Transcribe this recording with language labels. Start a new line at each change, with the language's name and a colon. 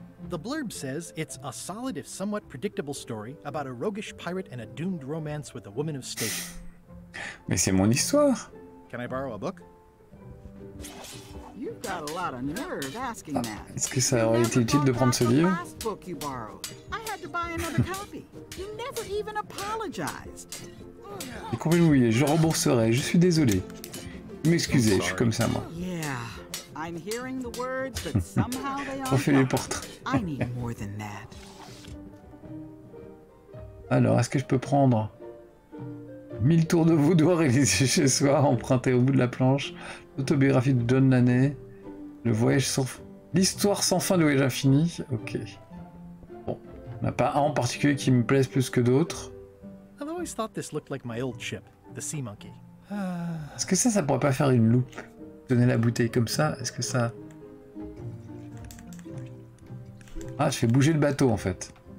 English: The blurb says it's a solid if somewhat predictable story about a roguish pirate and a doomed romance with a woman of station.
French: Mais c'est mon histoire.
English: Can I borrow a book? You've got a lot of nerve asking that.
French: Est-ce que ça aurait été utile de prendre ce livre?
English: I had to buy another copy. You never even apologized.
French: Et combien vous voulez, je rembourserai, je suis désolé. M'excusez, je suis comme ça moi.
English: I'm hearing the words, but somehow they are.
French: On fait les portraits.
English: I need more than that.
French: Alors, est-ce que je peux prendre 1000 tours de vaudois réalisés chez soi, empruntés au bout de la planche, l'autobiographie de John Lanney, le voyage sans fin, l'histoire sans fin, le voyage infini. Ok. Bon, il n'y a pas un en particulier qui me plaise plus que d'autres.
English: I've always thought this looked like my old ship, the sea monkey.
French: Est-ce que ça pourrait pas faire une loupe? Donner la bouteille comme ça, est-ce que ça... Ah, je fais bouger le bateau en fait.